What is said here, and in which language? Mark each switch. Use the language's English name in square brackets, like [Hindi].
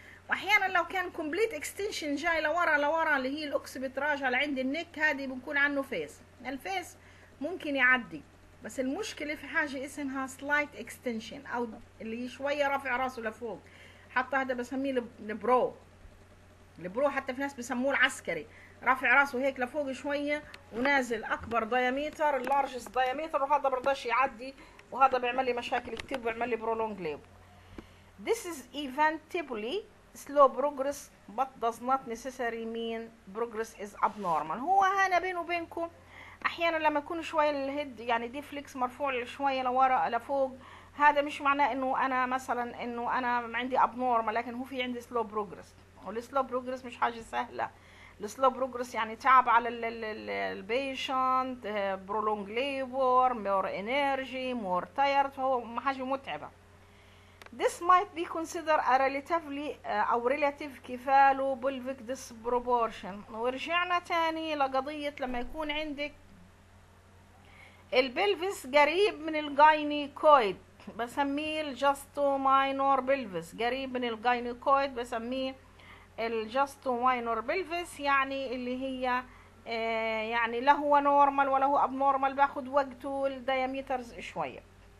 [Arabic] واحيانا لو كان كومبليت اكستنشن جاي لورا لورا اللي هي الاوكسبت راجع لعند النك، هذه بنكون عنه فيس، الفيس ممكن يعدي، بس المشكله في حاجه اسمها سلايت اكستنشن او اللي هي شويه رافع راسه لفوق، حتى هذا بسميه البرو. البرو حتى في ناس بسموه العسكري، رافع راسه هيك لفوق شويه ونازل اكبر دايامتر اللارجست دايامتر، وهذا برضاش يعدي، وهذا بيعمل لي مشاكل كتير، بيعمل لي برولونج ليب. [English] This is eventually slow progress but does not necessarily mean progress is abnormal. [Arabic] هو هنا بينه وبينكم احيانا لما يكون شويه الهيد يعني دي فليكس مرفوع شويه لورا لفوق، هذا مش معناه انه انا مثلا انه انا عندي abnormal، لكن هو في عندي slow progress. والسلو بروجرس مش حاجه سهله، السلو بروجرس يعني تعب على البيشنت، برولونج ليبر، مور انرجي، مور تايرد، فهو حاجه متعبه. [English] This might be considered a relatively او relative كفاله بلفيك disproportion. [Arabic] ورجعنا تاني لقضيه لما يكون عندك البلفيس قريب من الجاينيكويد بسميه الجاستو ماينور بلفيس، قريب من الجاينيكويد بسميه الجاستو ماينور بلفيس، يعني اللي هي يعني لا هو نورمال ولا هو ابنورمال، باخد وقته الدايامترز شويه.